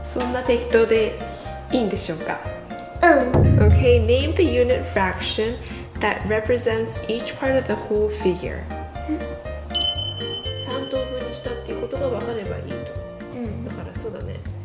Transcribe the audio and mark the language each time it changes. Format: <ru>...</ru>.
<ja>そんな適当でいいんでしょうか？うん。</ja> <en>Okay, name the unit fraction. That represents each part of the whole figure.</en> <ja>3等分にしたっていうことが分かればいいと。だからそうだね。</ja>